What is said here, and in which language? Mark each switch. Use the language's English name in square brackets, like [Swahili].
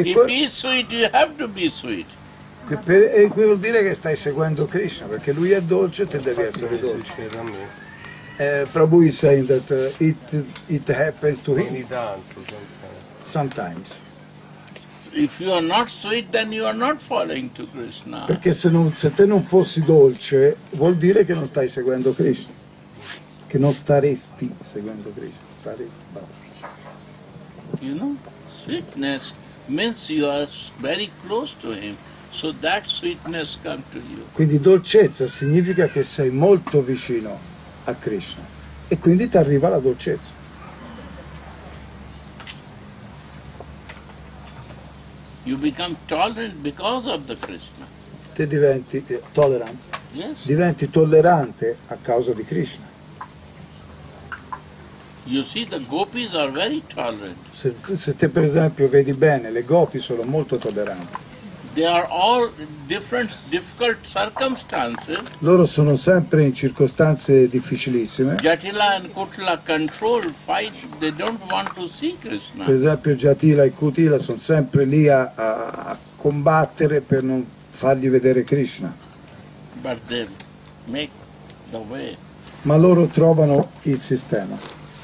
[English] if he's sweet, you have to be sweet. [Italian] E qui vuol dire che stai seguendo Krishna, perché lui è dolce, te devi essere dolce. [English] Prabhu is saying that it happens to him. Sometimes. If you are not sweet, then you are not following to Krishna. [Italian] Perché se te non fossi dolce, vuol dire che non stai seguendo Krishna. Che non staresti seguendo Krishna. Staresti. [English] You know, sweetness means you are very close to him. So that sweetness comes to you. [Italian] Quindi dolcezza significa che sei molto vicino a Krishna e quindi ti arriva la dolcezza. [English] You become tolerant because of the Krishna. [Italian] Te diventi tolerant. [English] Yes. [Italian] Diventi tollerante a causa di Krishna. [English] You see the gopis are very tolerant. [Italian] Se te per esempio vedi bene, le gopi sono molto tolleranti. [English] They are all different difficult circumstances. [Italian] Loro sono sempre in circostanze difficilissime. [English] Jatila and Kutila control, fight, they don't want to see Krishna. [Italian] Per esempio Jatila e Kutila sono sempre lì a combattere per non fargli vedere Krishna. [English] But they make the way. [Italian] Ma loro trovano il sistema.